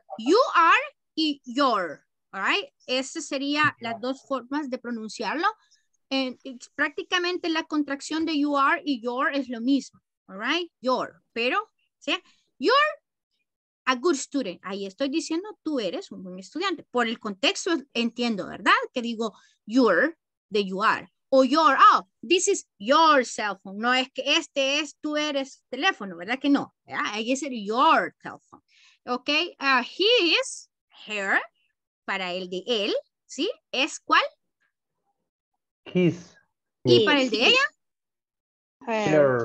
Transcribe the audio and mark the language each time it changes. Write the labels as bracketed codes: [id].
[es] You are y your. [en] All right. [es] Esa sería las dos formas de pronunciarlo. Prácticamente la contracción de you are y your es lo mismo. All right. Your. Pero, ¿sí? Your. [en] A good student. [es] Ahí estoy diciendo tú eres un buen estudiante. Por el contexto entiendo, ¿verdad? Que digo [en] you're the you are. O you're, oh, this is your cell phone. [es] No es que este es, tú eres teléfono, ¿verdad? Que no. ¿Verdad? Ahí es el [en] your cell phone. [es] Ok. [en] He is her. [es] Para el de él, ¿sí? ¿Es cuál? [en] His. [es] ¿Y para el de ella? [en] Her.